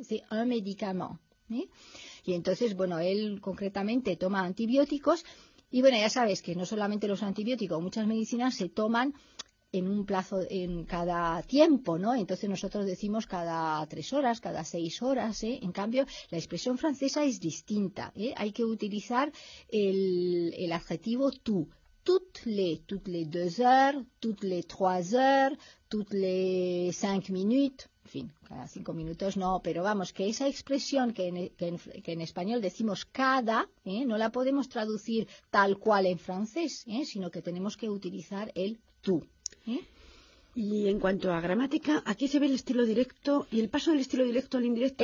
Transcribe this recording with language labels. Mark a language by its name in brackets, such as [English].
[French] C'est un médicament. [Spanish] ¿Eh? Y entonces, bueno, él concretamente toma antibióticos y bueno, ya sabes que no solamente los antibióticos, muchas medicinas se toman en un plazo, en cada tiempo, ¿no? Entonces nosotros decimos cada 3 horas, cada 6 horas, ¿eh? En cambio, la expresión francesa es distinta, ¿eh? Hay que utilizar el adjetivo tú. [French] Toutes les 2 heures, toutes les 3 heures, toutes les 5 minutes. [Spanish] En fin, cada 5 minutos no, pero vamos, que esa expresión que en español decimos cada, ¿eh? No la podemos traducir tal cual en francés, ¿eh? Sino que tenemos que utilizar el tú. Y en cuanto a gramática, aquí se ve el estilo directo y el paso del estilo directo al indirecto.